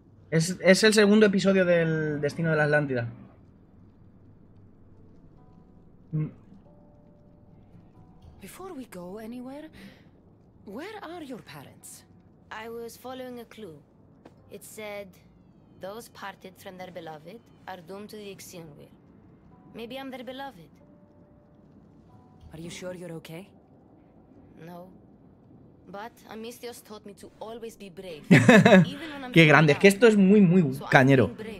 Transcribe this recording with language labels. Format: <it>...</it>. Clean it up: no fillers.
<es>Es el segundo episodio del Destino de la Atlántida.</es> <en>Before we go anywhere, where are your parents? I was following a clue. It said Those parted from their beloved are doomed to the Ixion wheel. Maybe I'm their beloved. Are you sure you're okay? No. But Amistios taught me to always be brave.</en> <es>Qué grande, es que esto es muy muy cañero.</es>